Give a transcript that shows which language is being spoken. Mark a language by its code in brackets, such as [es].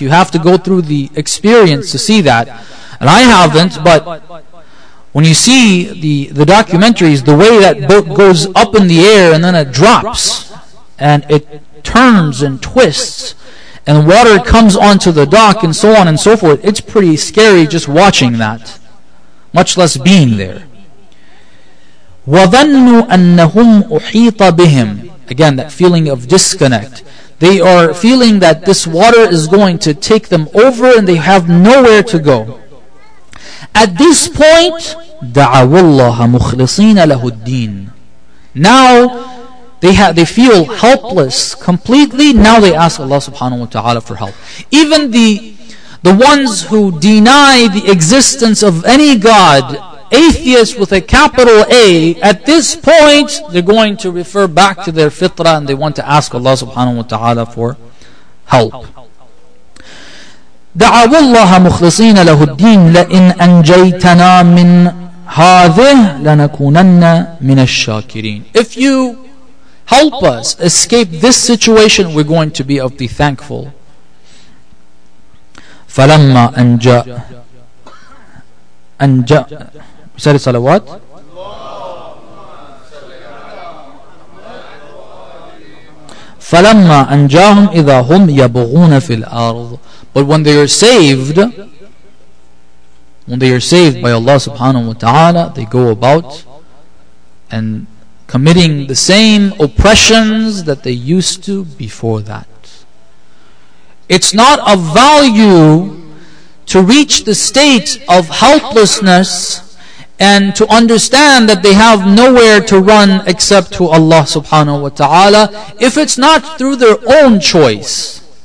[en] You have to go through the experience to see that. And I haven't, but when you see the documentaries, the way that boat goes up in the air and then it drops and it turns and twists and water comes onto the dock and so on and so forth, it's pretty scary just watching that, much less being there. [ar] وَظَنُّوا أَنَّهُمْ أُحِيطَ بِهِمْ, [en] again, that feeling of disconnect. They are feeling that this water is going to take them over and they have nowhere to go. At this point, [ar] دعوا الله مخلصين له الدين. [en] Now, they feel helpless completely. Now they ask Allah subhanahu wa ta'ala for help. Even the ones who deny the existence of any God, atheists with a capital A, at this point, they're going to refer back to their fitrah and they want to ask Allah subhanahu wa ta'ala for help. [ar] دعوا الله مخلصين له الدين لئن أنجيتنا من هذه لنكونن من الشاكرين. [en] If you help us escape this situation, we're going to be of the thankful. [ar] فلما أنجا سال الصلوات. فلما أنجاهم إذا هم يبغون في الأرض. [en] But when they are saved by Allah subhanahu wa ta'ala, they go about and committing the same oppressions that they used to before that. It's not of value to reach the state of helplessness and to understand that they have nowhere to run except to Allah subhanahu wa ta'ala if it's not through their own choice.